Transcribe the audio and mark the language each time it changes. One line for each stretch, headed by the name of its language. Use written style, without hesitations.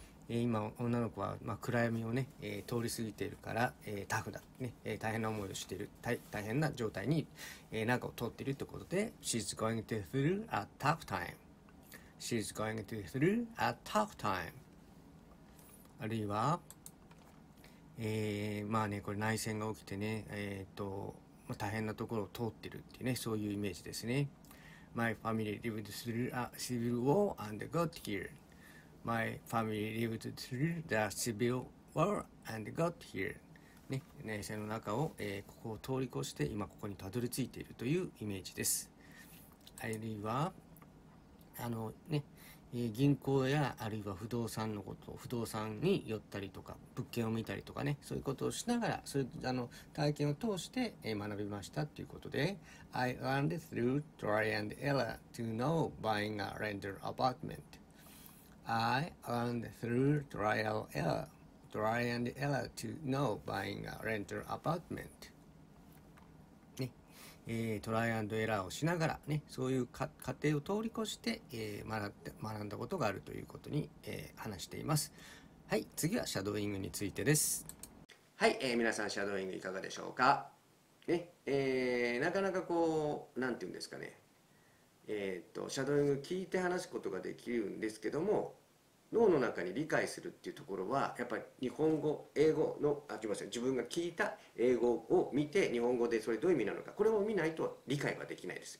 Japanese: 今女の子は、まあ、暗闇をね、通り過ぎているから、タフだ、ね、大変な思いをしている、 大変な状態に、なんかを通っているということで
English: She's going to through a tough time. She's going to through a tough time.
Japanese: あるいは、まあね、これ内戦が起きてね、まあ、大変なところを通っているっていうね、そういうイメージですね。
English: My family lived through a civil war and got here. My family lived through the civil war and got here.
Japanese: ね、内戦の中を、ここを通り越して今ここにたどり着いているというイメージです。あるいは、あのね、銀行やあるいは不動産のこと、不動産に寄ったりとか、物件を見たりとかね、そういうことをしながら、そういうあの体験を通して学びましたということで、
English: I learned through try and error to know buying a rental apartment. I learned through try and error to know buying a rental apartment.
Japanese: トライアンドエラーをしながらね、そういう過程を通り越して、学んだことがあるということに、話しています。はい、次はシャドーイングについてです。はい、皆さんシャドーイングいかがでしょうか、ね。なかなかこうなんて言うんですかね、シャドーイング聞いて話すことができるんですけども、脳の中に理解するっていうところはやっぱり日本語、英語の、あ、すいません、自分が聞いた英語を見て日本語でそれどういう意味なのか、これを見ないと理解はできないです。